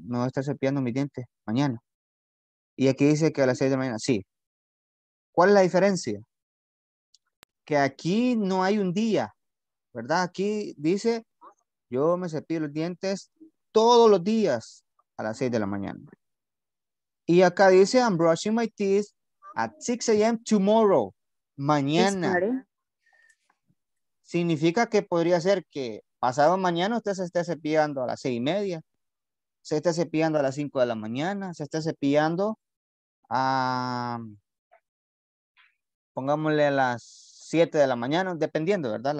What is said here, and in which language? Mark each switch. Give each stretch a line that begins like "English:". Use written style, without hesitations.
Spanish: Me voy a estar cepillando mis dientes mañana. Y aquí dice que a las 6 de la mañana. Sí. ¿Cuál es la diferencia? Que aquí no hay un día, ¿verdad? Aquí dice, yo me cepillo los dientes todos los días a las 6 de la mañana. Y acá dice,
English: I'm brushing my teeth at 6 a.m. tomorrow.
Spanish: Mañana. Significa que podría ser que pasado mañana usted se esté cepillando a las 6:30, se esté cepillando a las 5 de la mañana, se esté cepillando a, pongámosle a las 7 de la mañana, dependiendo, ¿verdad?